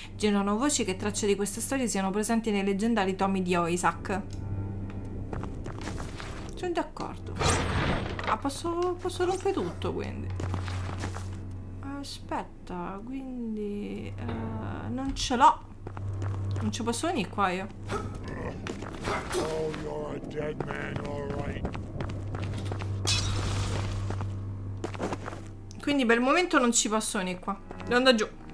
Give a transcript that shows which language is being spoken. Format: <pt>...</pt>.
<it>Generano voci che tracce di queste storie siano presenti nei leggendari tomi di Isaac. Sono d'accordo. Ah, posso rompere tutto, quindi. Aspetta, quindi non ce l'ho. Non ci posso venire qua io.</it> <en>Oh, you're a dead man, all right.</en> <it>Quindi per il momento non ci posso venire qua. Devo andare giù.</it>